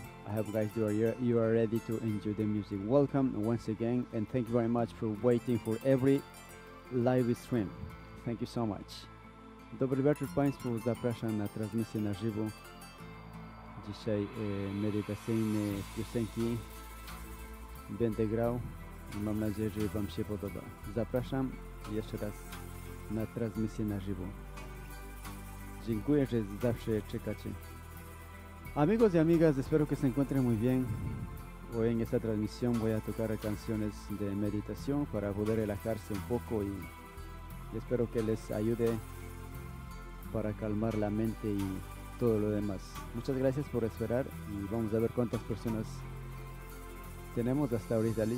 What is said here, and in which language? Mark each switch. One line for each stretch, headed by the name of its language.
English: I hope guys you are ready to enjoy the music. Welcome once again, and thank you very much for waiting for every live stream. Thank you so much.
Polish: Dobry wieczór Państwu, zapraszam na transmisję na żywo. Dzisiaj medytacyjne piosenki będę grał i mam nadzieję, że Wam się podoba. Zapraszam jeszcze raz na transmisję na żywo. Dziękuję, że zawsze czekacie.
Spanish: Amigos y amigas, espero que se encuentren muy bien. Hoy en esta transmisión voy a tocar canciones de meditación para poder relajarse un poco y espero que les ayude para calmar la mente y todo lo demás. Muchas gracias por esperar y vamos a ver cuántas personas tenemos hasta ahorita.